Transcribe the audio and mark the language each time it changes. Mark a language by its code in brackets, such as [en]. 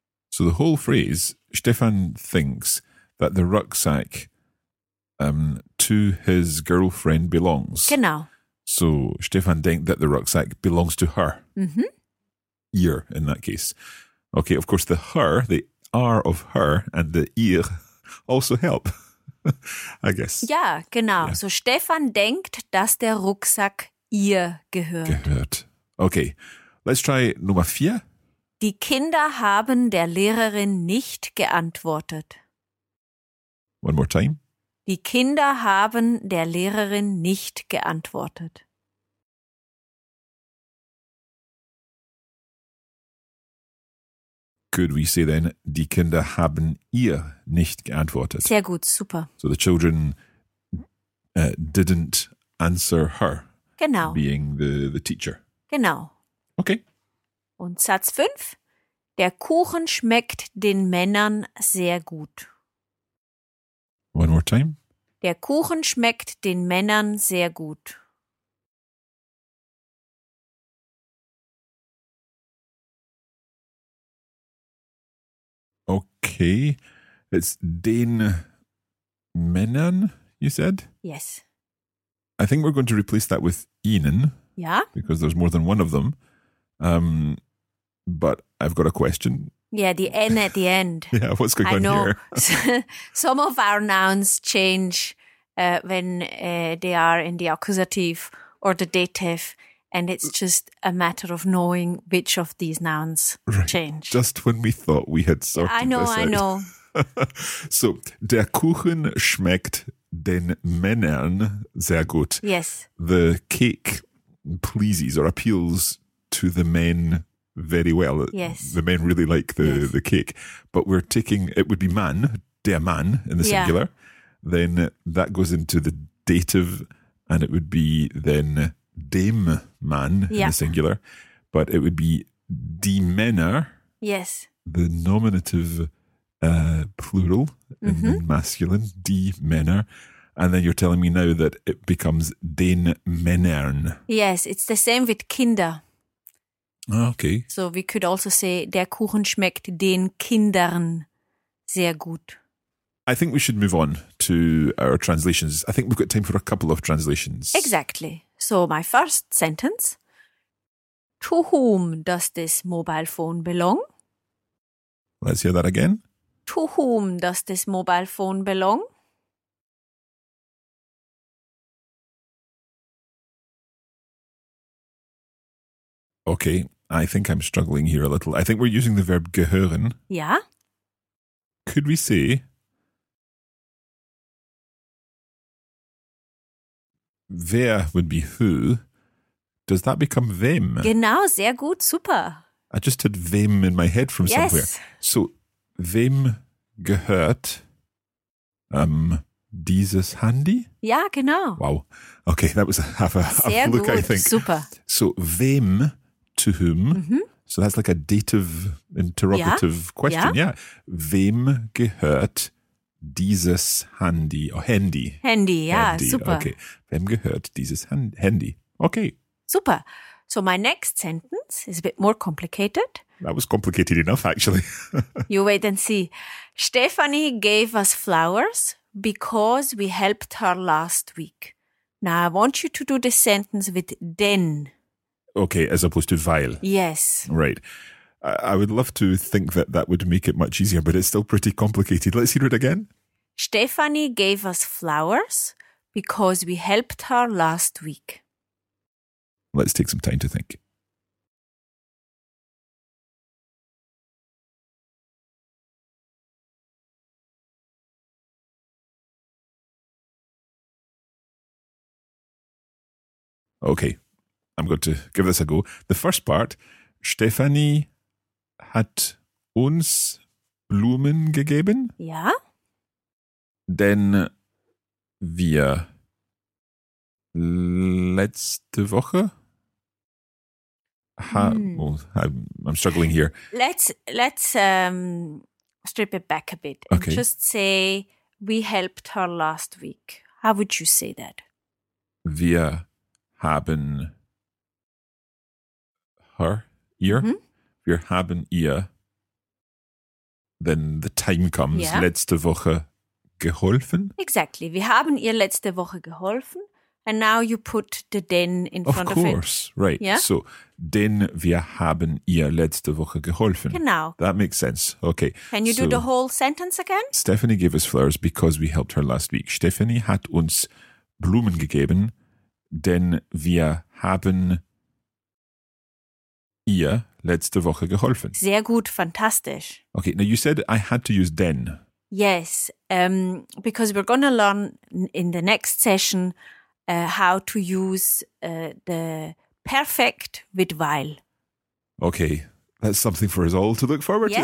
[en] So the whole phrase, Stefan thinks that the rucksack to his girlfriend belongs. [de] Genau. [en] So [de] Stefan denkt [en] that the rucksack belongs to her. Mm-hmm. Ihr, in that case. Okay, of course, the R of her and the ihr also help, I guess. [de] Ja, genau. Yeah. So Stefan denkt, dass der Rucksack ihr gehört. [en] Gehört. Okay, let's try Nummer 4. [de] Die Kinder haben der Lehrerin nicht geantwortet. [en] One more time. [de] Die Kinder haben der Lehrerin nicht geantwortet. [en] Could we say then, [de] die Kinder haben ihr nicht geantwortet? Sehr gut, super. [en] So the children didn't answer her. [de] Genau. [en] Being the teacher. [de] Genau. [en] Okay. [de] Und Satz 5. Der Kuchen schmeckt den Männern sehr gut. [en] One more time. [de] Der Kuchen schmeckt den Männern sehr gut. [en] Okay. It's den Männern, you said? Yes. I think we're going to replace that with ihnen. Yeah. Because there's more than one of them. But I've got a question. Yeah, the N at the end. Yeah, what's going on here? I know. Some of our nouns change when they are in the accusative or the dative, and it's just a matter of knowing which of these nouns change. Just when we thought we had sorted this out. I know. [de] So, der Kuchen schmeckt den Männern sehr gut. [en] Yes. The cake pleases or appeals to the men very well. Yes. The men really like the cake. But we're taking, it would be man, der Mann in the singular. Yeah. Then that goes into the dative and it would be then dem Mann in the singular. But it would be die Männer. Yes. The nominative plural in the masculine, die Männer. And then you're telling me now that it becomes den Männern. Yes, it's the same with Kinder. Okay. So we could also say, [de] der Kuchen schmeckt den Kindern sehr gut. [en] I think we should move on to our translations. I think we've got time for a couple of translations. Exactly. So my first sentence. To whom does this mobile phone belong? Let's hear that again. To whom does this mobile phone belong? Okay. I think I'm struggling here a little. I think we're using the verb gehören. Yeah. Could we say, wer would be who, does that become them? [de] Genau, sehr gut, super. [en] I just had them in my head from somewhere. [de] So, them gehört dieses Handy? Ja, genau. [en] Wow. Okay, that was half a fluke, I think. Super. So, them, to whom? Mm-hmm. So that's like a dative interrogative question. Yeah. [de] Wem gehört dieses Handy? [en] Or Handy. Handy, yeah, Handy. Super. Okay. [de] Wem gehört dieses Handy? [en] Okay. Super. So my next sentence is a bit more complicated. That was complicated enough, actually. You wait and see. Stephanie gave us flowers because we helped her last week. Now I want you to do the sentence with den. Okay, as opposed to weil. Yes. Right. I would love to think that that would make it much easier, but it's still pretty complicated. Let's hear it again. Stephanie gave us flowers because we helped her last week. Let's take some time to think. Okay. I'm going to give this a go. The first part, [de] Stephanie hat uns Blumen gegeben. Ja. Denn wir letzte Woche [en] I'm struggling here. Let's strip it back a bit. Okay. Just say we helped her last week. How would you say that? [de] Wir haben her, ihr, wir haben ihr, [en] then the time comes, [de] letzte Woche geholfen. [en] Exactly. [de] Wir haben ihr letzte Woche geholfen. [en] And now you put the den in front of it. Of course, right. Yeah? [de] So, den wir haben ihr letzte Woche geholfen. Genau. [en] That makes sense. Okay. Can you do the whole sentence again? Stephanie gave us flowers because we helped her last week. [de] Stephanie hat uns Blumen gegeben, denn wir haben ihr letzte Woche geholfen. Sehr gut, fantastisch. [en] Okay, now you said I had to use den. Yes, because we're going to learn in the next session how to use the perfect with weil. Okay, that's something for us all to look forward to then.